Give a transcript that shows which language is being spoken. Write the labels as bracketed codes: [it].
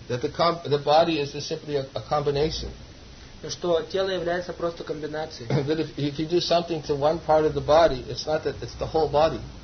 [en] That the body is simply a combination. [ru] Что тело является просто комбинацией. [en] That if you do something to one part of the body, it's not that it's the whole body.